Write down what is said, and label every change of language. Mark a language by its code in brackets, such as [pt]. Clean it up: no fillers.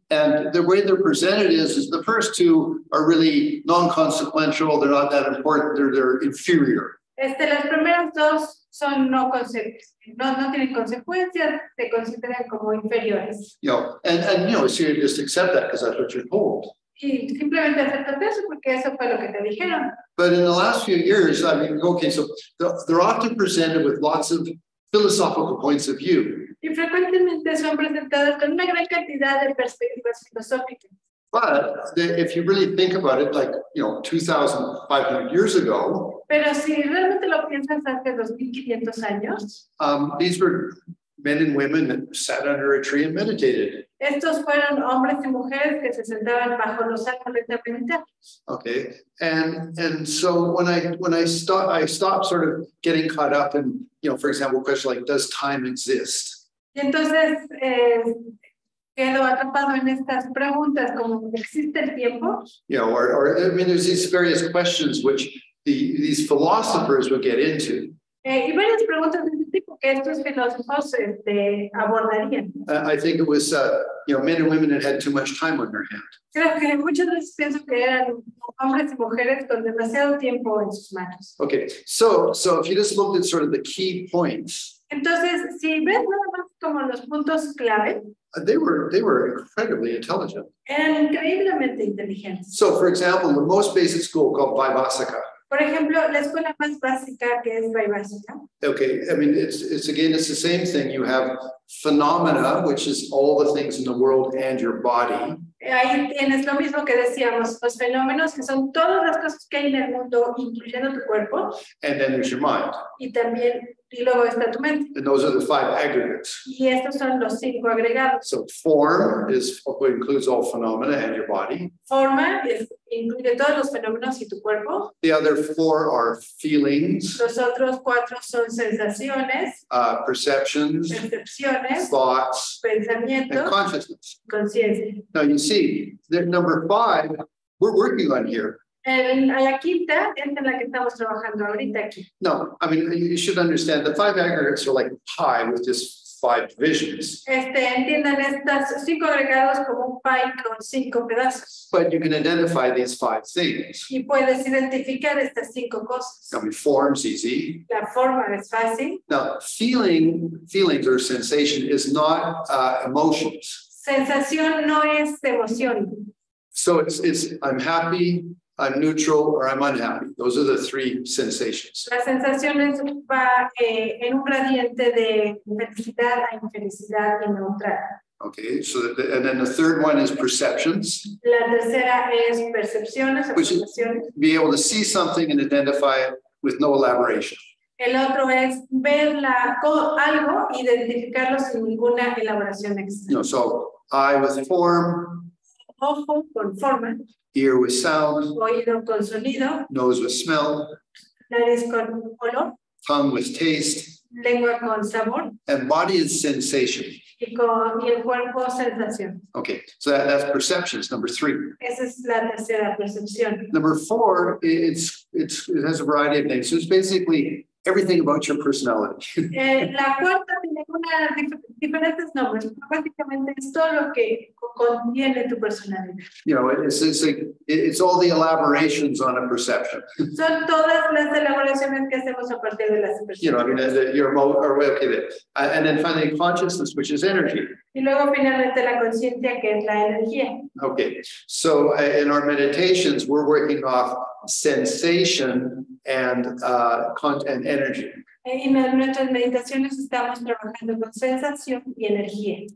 [en] And the way they're presented is the first two are really non-consequential, they're not that important, they're inferior. [es] Las primeras dos son no consecuentes, no tienen consecuencias, se consideran como inferiores. [en] You know, and you know, so you just accept that because that's what you're told. [es] Y simplemente aceptate eso porque eso fue lo que te dijeron. [en] But in the last few years, I mean, okay, so they're often presented with lots of philosophical points of view. [es] Y frecuentemente son presentadas con una gran cantidad de perspectivas filosóficas. [en] But if you really think about it, like, you know, 2,500 years ago. [es] Pero si realmente lo piensas hace 2,500 años. [en] These were men and women that sat under a tree and meditated. [es] Estos fueron hombres y mujeres que se sentaban bajo los árboles de meditar. [en] Okay, and so when I stopped sort of getting caught up in, you know, for example, questions like, does time exist? [es] Y entonces quedo atrapado en estas preguntas como, ¿existe el tiempo? [en] You know, or I mean, there's these various questions which these philosophers would get into. [es] Y varias preguntas de este tipo que estos filósofos abordarían. [en] I think it was, you know, men and women that had too much time on their hands. [es] Creo que muchas veces pienso que eran hombres y mujeres con demasiado tiempo en sus manos. [en] Okay, so if you just looked at sort of the key points. [es] Entonces, si ves nada más como los puntos clave. [en] They were incredibly intelligent. [es] Eran increíblemente inteligentes. [en] So, for example, the most basic school called Vaivasika. [es] Por ejemplo, la escuela más básica que es Vaivasika. [en] Okay, I mean, it's the same thing. You have phenomena, which is all the things in the world and your body. [es] Ahí tienes lo mismo que decíamos, los fenómenos que son todas las cosas que hay en el mundo, incluyendo tu cuerpo. [en] And then there's your mind. [es] Y luego está tu mente. [en] And those are the five aggregates. [es] Y estos son los cinco agregados. [en] So form is what includes all phenomena and your body. [es] Forma es, incluye todos los fenómenos y tu cuerpo. [en] The other four are feelings. [es] Los otros cuatro son sensaciones. [en] Perceptions. [es] Percepciones. [en] Thoughts. [es] Pensamientos. [en] And consciousness. [es] Conciencia. [en] Now you see, the number five, we're working on here. [es] La quinta es en la que estamos trabajando ahorita aquí. [en] No, I mean, you should understand the five aggregates are like pie with just five divisions. [es] Entiendan estas cinco agregados como un pie con cinco pedazos. [en] But you can identify these five things. [es] Y puedes identificar estas cinco cosas. [en] I mean, form's easy. [es] La forma es fácil. [en] Now, feelings or sensation is not emotions. [es] Sensación no es emoción. [en] So it's I'm happy. I'm neutral or I'm unhappy. Those are the three sensations. [es] La sensación es va en un gradiente de felicidad a infelicidad y neutral. [en] Okay, so and then the third one is perceptions. [es] La tercera es percepciones. [en] Which is be able to see something and identify it with no elaboration. [es] El otro es ver algo, identificarlo sin ninguna elaboración extra. [en] No, so eye with form. [es] Ojo con forma. [en] Ear with sound, [es] oído con sonido, [en] nose with smell, [es] nariz con olor, [en] tongue with taste, [es] lengua con sabor, [en] and body is sensation. [es] Y el cuerpo sensación. [en] Okay, so that's perceptions, number three. [es] Esa es la tercera percepción. [en] Number four, it has a variety of names. So it's basically everything about your personality. [es] La cuarta tiene diferentes nombres. Básicamente es todo lo que contiene tu personalidad. [en] You know, it's all the elaborations on a perception. [es] Son todas las elaboraciones que hacemos a partir de las [en] perceptions. You know, I mean, and then finally consciousness, which is energy. [es] Y luego finalmente la conciencia, que es la energía. [en] Okay, so in our meditations, we're working off sensation and content energy. [es] En nuestras meditaciones estamos trabajando con sensación y energía.